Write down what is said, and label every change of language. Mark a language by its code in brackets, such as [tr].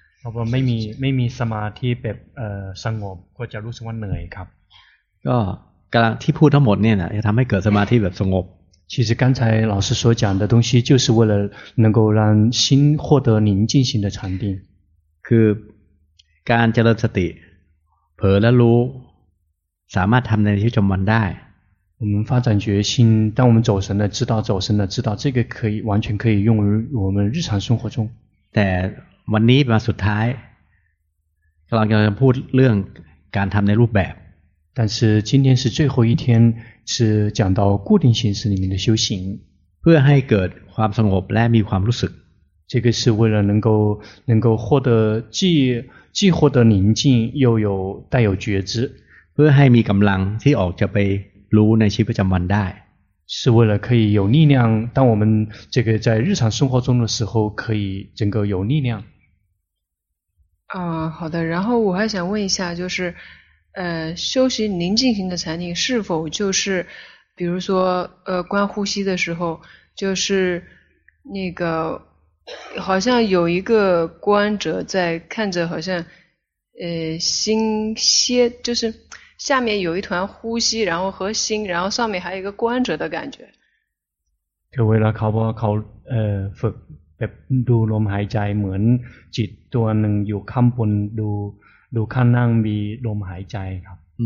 [th] เราไม่มีสมาธิแบบสงบก็จะรู้สึกว่าเหนื่อยครับ ก็ ที่พูดทั้งหมดเนี่ยนะจะทำให้เกิดสมาธิแบบสงบ [zh] 其实刚才老师所讲的东西就是为了能够让心获得宁静型的禅定 [th] คือการเจริญสติเผลอแล้วรู้สามารถทำในชีวิตประจำวันได้ [zh] 我们发展决心当我们走神了知道走神了知道这个可以完全可以用于我们日常生活中 [th] แต่วันนี้มาสุดท้ายกำลังจะพูดเรื่องการทำในรูปแบบ [zh] 但是今天是最后一天是讲到固定形式里面的修行 [th] เพื่อให้เกิดความสงบและมีความรู้สึก [zh] 这个是为了能够获得既获得宁静又有带有觉知 [th] เพื่อให้มีกำลังที่ออกจะไปรู้ในชีวิตประจำวันได้ [zh] 是为了可以有力量当我们这个在日常生活中的时候可以整个有力量好的然后我还想问一下就是修行宁静型的禅定是否就是比如说观呼吸的时候就是那个好像有一个观者在看着好像心歇就是下面有一团呼吸然后和心然后上面还有一个观者的感觉 [th] คือเวลาเขาบอกเขาฝึกแบบดูลมหายใจเหมือนจิตตัวหนึ่งอยู่ข้างบนดูข้างนั่งมีลมหายใจครับ